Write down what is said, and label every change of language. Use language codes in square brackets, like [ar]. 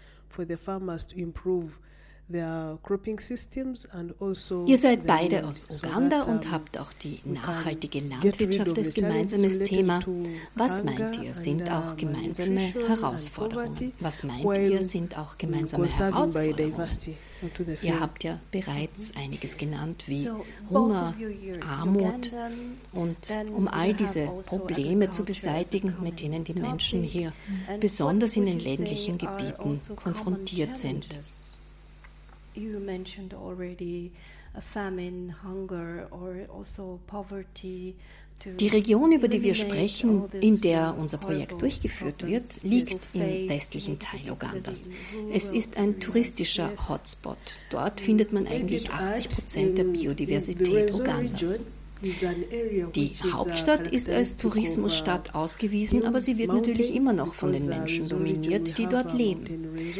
[en] For the farmers to improve their cropping systems and also [de] ihr seid beide aus Uganda und habt auch die nachhaltige Landwirtschaft als gemeinsames Thema. Was meint ihr, sind auch gemeinsame Herausforderungen? Was meint ihr, sind auch gemeinsame Herausforderungen? Ihr habt ja bereits einiges genannt, wie Hunger, Armut. Und um all diese Probleme zu beseitigen, mit denen die Menschen hier besonders in den ländlichen Gebieten konfrontiert sind. [en] You mentioned already famine, hunger or also poverty. [de] Die Region, über die wir sprechen, in der unser Projekt durchgeführt wird, liegt im westlichen Teil Ugandas. Es ist ein touristischer Hotspot. Dort findet man eigentlich 80% der Biodiversität Ugandas. Die Hauptstadt ist als Tourismusstadt ausgewiesen, aber sie wird natürlich immer noch von den Menschen dominiert, die dort leben.